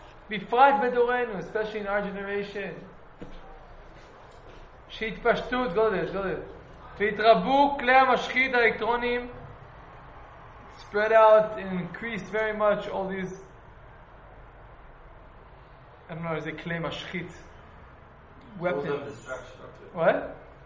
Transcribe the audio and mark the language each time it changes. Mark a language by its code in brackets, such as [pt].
[he] בפרט בדורנו, [en] especially in our generation. [he] שהתפשטות, גודל. והתרבו כלי המשחית האלקטרונים. [en] Spread out and increase very much all these, I don't know, is it כלי משחית? Weapons. What?